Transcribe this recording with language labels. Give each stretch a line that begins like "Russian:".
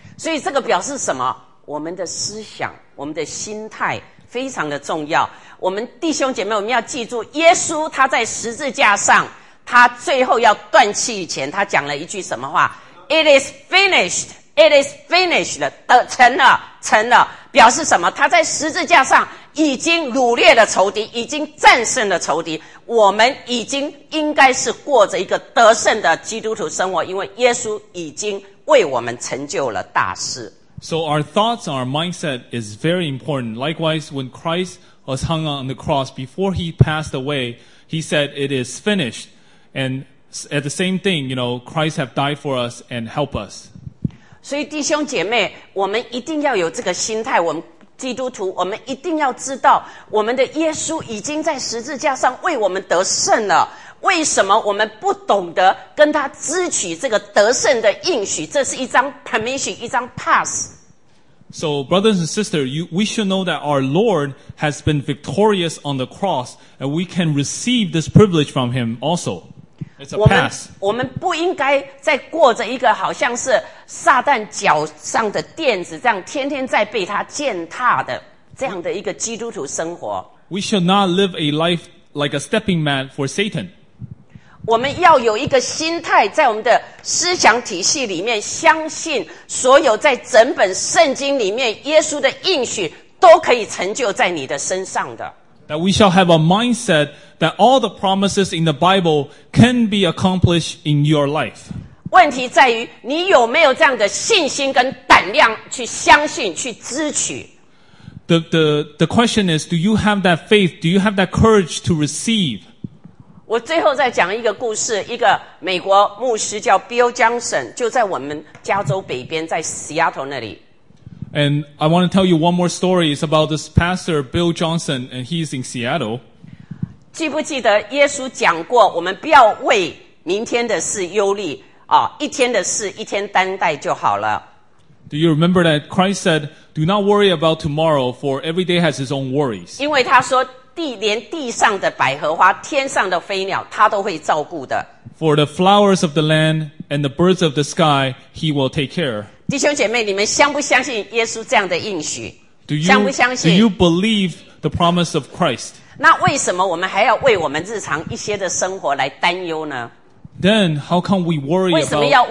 Chinese: 所以这个表示什么？我们的思想，我们的心态非常的重要。我们弟兄姐妹，我们要记住，耶稣他在十字架上，他最后要断气以前，他讲了一句什么话 ？
English: It is finished. It is finished.
Chinese: 成了，成了。表示什么？他在十字架上已经掳掠了仇敌，已经战胜了仇敌，我们已经应该是过着一个得胜的基督徒生活，因为耶稣已经为我们成就了大事。
English: So our thoughts and our mindset is very important. Likewise, when Christ was hung on the cross, before he passed away, he said, "It is finished." And at the same thing, you know, Christ have died for us and help us.
Chinese: 所以弟兄姐妹，我们一定要有这个心态，我们基督徒，我们一定要知道，我们的耶稣已经在十字架上为我们得胜了。为什么我们不懂得跟他支取这个得胜的应许？这是一张 permission， 一张 pass。
English: So, brothers and sisters, we should know that our Lord has been victorious on the cross, and we can receive this privilege from Him also. It's a pass.
Chinese: 我们不应该再过着一个好像是撒旦脚上的垫子，这样天天在被他践踏的这样的一个基督徒生活。
English: We should not live a life like a stepping mat for Satan.
Chinese: 我们要有一个心态，在我们的思想体系里面，相信所有在整本圣经里面耶稣的应许都可以成就在你的身上的。
English: That we shall have a mindset that all the promises in the Bible can be accomplished in your life.
Chinese: 问题在于你有没有这样的信心跟胆量去相信，去支取。
English: The question is, do you have that faith? Do you have that courage to receive?
Chinese: 我最后再讲一个故事，一个美国牧师叫 Bill Johnson， 就在我们加州北边，在 Seattle 那里。
English: And I want to tell you one more story. It's about this pastor, Bill Johnson, and he's in Seattle.
Chinese: 记不记得耶稣讲过，我们不要为明天的事忧虑，啊，一天的事一天担待就好了。
English: Do you remember that Christ said, "Do not worry about tomorrow, for every day has its own worries"?
Chinese: 因为他说地连地上的百合花、天上的飞鸟，他都会照顾的。
English: For the flowers of the land and the birds of the sky, he will take care.
Chinese: 弟兄姐妹，你们相不相信耶稣这样的应许？
English: Do you,
Chinese: 相不相信
English: ？Do you believe the promise of Christ?
Chinese: 那为什么我们还要为我们日常一些的生活来担忧呢？
English: Then how come we worry about things in our lives?